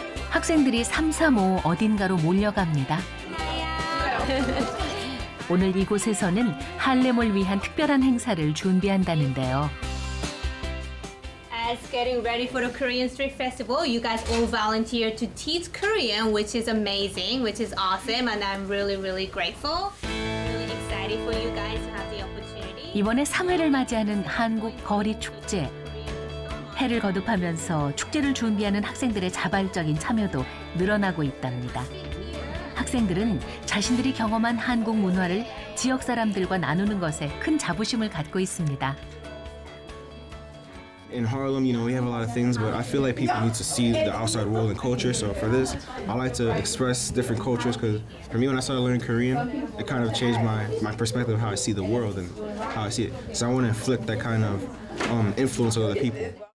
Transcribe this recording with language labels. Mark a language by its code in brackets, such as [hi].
[ko] 학생들이 삼삼오 어딘가로 몰려갑니다. 오늘 이곳에서는 할렘을 위한 특별한 행사를 준비한다는데요. [en] As getting ready for the Korean Street Festival, you guys all volunteer to teach Korean, which is amazing, which is awesome, and I'm really, really grateful. Really excited for you guys to have the opportunity. [ko] 이번에 3회를 맞이하는 한국 거리 축제. 해를 거듭하면서 축제를 준비하는 학생들의 자발적인 참여도 늘어나고 있답니다. 학생들은 자신들이 경험한 한국 문화를 지역 사람들과 나누는 것에 큰 자부심을 갖고 있습니다. [en] In Harlem, you know, we have a lot of things, but I feel like people need to see the outside world and culture. So for this, I like to express different cultures because for me, when I started learning Korean, it kind of changed my perspective of how I see the world and how I see it. So I want to inflict that kind of influence on other people.